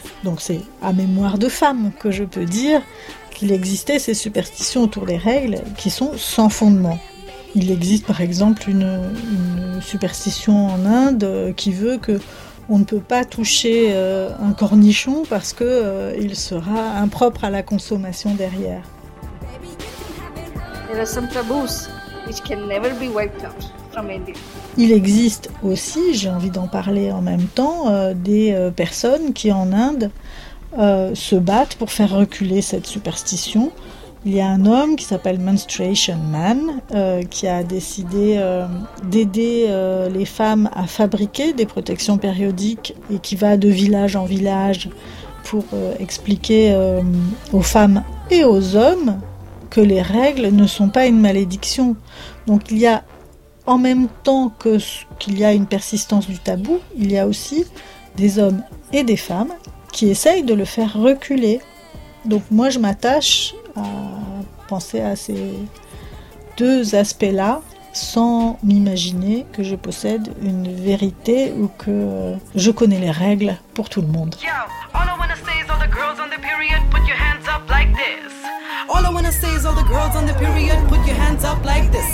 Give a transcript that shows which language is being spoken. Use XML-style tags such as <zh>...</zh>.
<fr>Donc c'est à mémoire de femme que je peux dire qu'il existait ces superstitions autour des règles qui sont sans fondement. Il existe par exemple une superstition en Inde qui veut qu'on ne peut pas toucher un cornichon parce qu'il sera impropre à la consommation derrière.</fr> <en>There are some taboos which can never be wiped out from India.</en> <fr>Il existe aussi, j'ai envie d'en parler en même temps, des personnes qui en Inde se battent pour faire reculer cette superstition. Il y a un homme qui s'appelle Menstruation Man qui a décidé d'aider les femmes à fabriquer des protections périodiques et qui va de village en village pour expliquer aux femmes et aux hommes que les règles ne sont pas une malédiction. Donc il y a, en même temps qu'il y a une persistance du tabou, il y a aussi des hommes et des femmes qui essayent de le faire reculer. Donc moi, je m'attache à penser à ces deux aspects-là sans m'imaginer que je possède une vérité ou que je connais les règles pour tout le monde.</fr> <en>All I wanna say is all the girls on the period, put your hands up like this.</en>